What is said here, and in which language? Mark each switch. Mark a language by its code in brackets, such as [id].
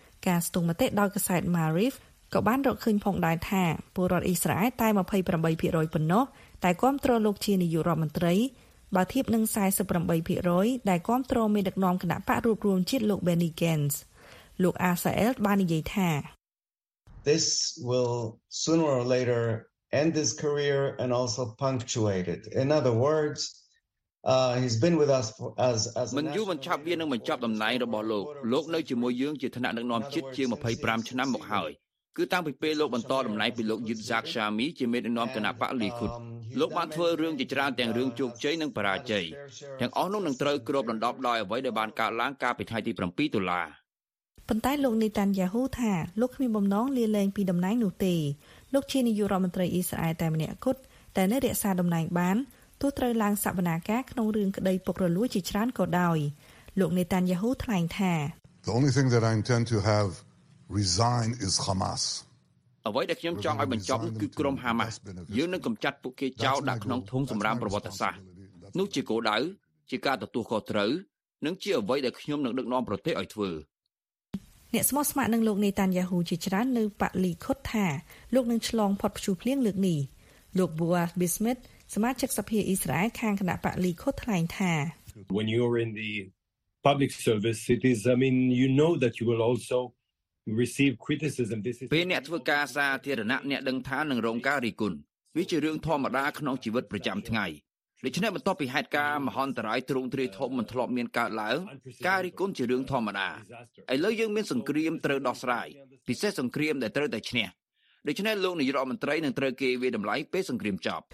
[km] ការស្ទង់មតិដោយកសែត Maariv ក៏បានរកឃើញផងដែរថាពលរដ្ឋអ៊ីស្រាអែលតែ 28% ប៉ុណ្ណោះតែគាំទ្រលោកជានាយករដ្ឋមន្ត្រីបើធៀបនឹង 48% ដែលគាំទ្រមេដឹកនាំគណៈបករួមរួមជាតិលោក Benny Gantz លោក Asael បាននិយាយថា [en] This will sooner or later end his career and also punctuate it in other wordsHe's been with us for, as [km] មិនយូរមិនឆាប់វានឹងបញ្ចប់តំណែងរបស់លោកលោកនៅជាមួយយើងជាថ្នាក់ដឹកនាំជាតិជាង25ឆ្នាំមកហើយគឺតាំងពីពេលលោកបន្តតំណែងពីលោកយីតសាក់ឆាមីជាមេដឹកនាំគណៈបក្សលីគុតលោកបានធ្វើរឿងជាច្រើនទាំងរឿងជោគជ័យនិងបរាជ័យទាំងអស់នោះនឹងត្រូវគ្របដណ្ដប់ដោយអ្វីដែលបានកើតឡើងកាលពីថ្ងៃទី7តុល្លារ ប៉ុន្តែលោក Netanyahu ថាលោកគ្មានបំណងលាលែងពីតំណែងនោះទេលោកជានាយករដ្ឋមន្ត្រីអ៊ីស្រាអែលតែម្នាក់គត់តែនៅរក្សាតំណែងបានទោះត្រូវឡើងសវនាការក្នុងរឿងក្តីពុករលួយជាច្រើនក៏ដោយលោក Netanyahu ថ្លែងថា [en] The only thing that I intend to have resign is Hamas [km] អ្វីដែលខ្ញុំចង់ឲ្យបញ្ចប់គឺក្រុម Hamas យើងនឹងកម្ចាត់ពួកគេចោលដាក់ក្នុងធុងសម្រាប់ប្រវត្តិសាស្ត្រនោះជាគោលដៅជាការទទួលខុសត្រូវនិងជាអ្វីដែលខ្ញុំនឹងដឹកនាំប្រទេសឲ្យធ្វើ អ្នកស្មោះស្ម័គ្រនឹងលោក Netanyahu ជាច្រើននៅប៉លីខុតថាលោកនឹងឆ្លងផុតព្យុះភ្លៀងលើកនេះលោក Boaz Bismit សមាជិកសភាអ៊ីស្រាអែលខាងគណៈបក្សលីខុតថ្លែងថា [en] When you are in the public service it is I mean you know that you will alsoreceive criticism this is [km] ពេលអ្នកធ្វើការសាធារណៈអ្នកដឹងថានឹងរងការរិះគន់វាជារឿងធម្មតាក្នុងជីវិតប្រចាំថ្ងៃដូច្នេះបន្ទាប់ពីហេតុការណ៍មហន្តរាយទ្រង់ទ្រាយធំមិនធ្លាប់មានកើតឡើងការរិះគន់ជារឿងធម្មតាឥឡូវយើងមានសង្គ្រាមត្រូវដោះស្រាយពិសេសសង្គ្រាមដែលត្រូវតែឈ្នះដូច្នេះលោកនាយករដ្ឋមន្ត្រីនឹងត្រូវគេវាតម្លៃពេលសង្គ្រាមចប